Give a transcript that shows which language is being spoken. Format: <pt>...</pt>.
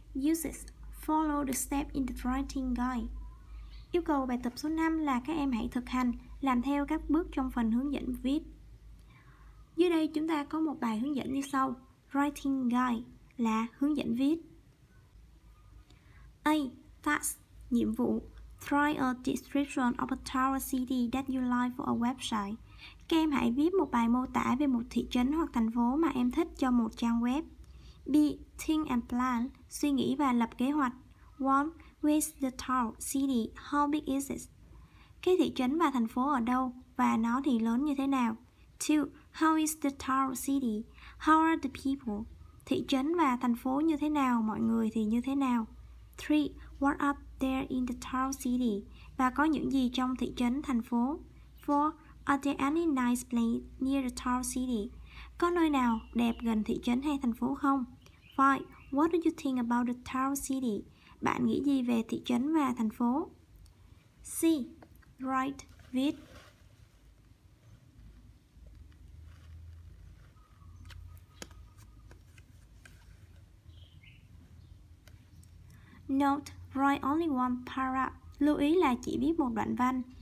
<en>Uses follow the step in the writing guide.</en> <vi>Yêu cầu bài tập số 5 là các em hãy thực hành làm theo các bước trong phần hướng dẫn viết. Dưới đây chúng ta có một bài hướng dẫn như sau. Writing guide là hướng dẫn viết. A. Task. Nhiệm vụ.</vi> <en>Write a description of a town or city that you like for a website.</en> <vi>Các em hãy viết một bài mô tả về một thị trấn hoặc thành phố mà em thích cho một trang web. B.</vi> <en>Think and plan.</en> <vi>Suy nghĩ và lập kế hoạch. 1.</vi> <en>Where's the town, city? How big is it?</en> <vi>Cái thị trấn và thành phố ở đâu và nó thì lớn như thế nào? 2.</vi> <en>How is the town, city? How are the people?</en> <vi>Thị trấn và thành phố như thế nào, mọi người thì như thế nào? 3.</vi> <en>What are there in the town, city?</en> <vi>Và có những gì trong thị trấn, thành phố?</vi> <en>4. Are there any nice place near the town, city?</en> <vi>Có nơi nào đẹp gần thị trấn hay thành phố không? 5.</vi> <en>What do you think about the town city?</en> <vi>Bạn nghĩ gì về thị trấn và thành phố? C. Write, viết.</vi> <en>Note, write only one paragraph.</en> <vi>Lưu ý là chỉ viết một đoạn văn.</vi>